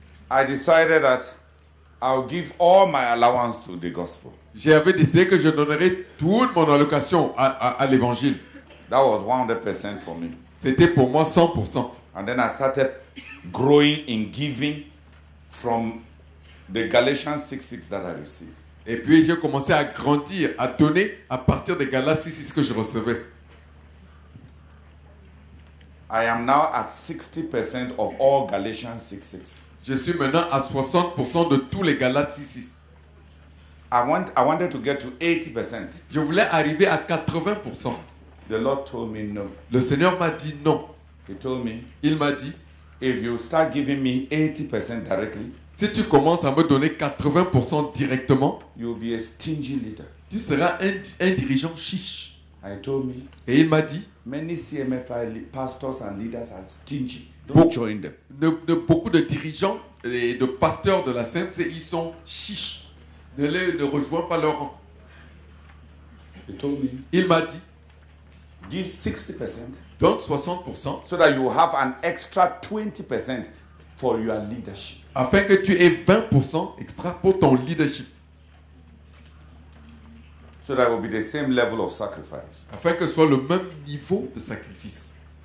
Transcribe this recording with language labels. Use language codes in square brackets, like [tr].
[en] I decided that I'll give all my allowance to the gospel. [fr] J'avais décidé que je donnerais toute mon allocation à l'évangile. [en] That was 100% for me. [fr] C'était pour moi 100%. [en] And then I started growing in giving from the Galatians 6:6 that I received. [fr] Et puis j'ai commencé à grandir, à donner à partir de Galates 6:6 que je recevais. [en] I am now at 60% of all Galatians 6:6. [fr] Je suis maintenant à 60% de tous les Galates 6:6. [en] I wanted to get to 80%. [fr] Je voulais arriver à 80%. [en] The Lord told me no. [fr] Le Seigneur m'a dit non. [en] He told me. [fr] Il m'a dit, [en] if you start giving me 80% directly, [fr] si tu commences à me donner 80% directement, [en] you'll be a stingy leader. [fr] Tu seras un dirigeant chiche. [en] I told me, [fr] et il m'a dit, [en] many CMFI pastors and leaders are stingy. Don't join them. [fr] Beaucoup de dirigeants et de pasteurs de la CMC, ils sont chiches. Ne rejoins pas leur rang. [en] He told me, [fr] il m'a dit, [en] give 60%. [fr] Donc 60%. [en] So that you have an extra 20% for your leadership. [fr] Afin que tu aies 20% extra pour ton leadership. [en] So that will be the same level of sacrifice. [fr] Afin que ce soit le même niveau de sacrifice.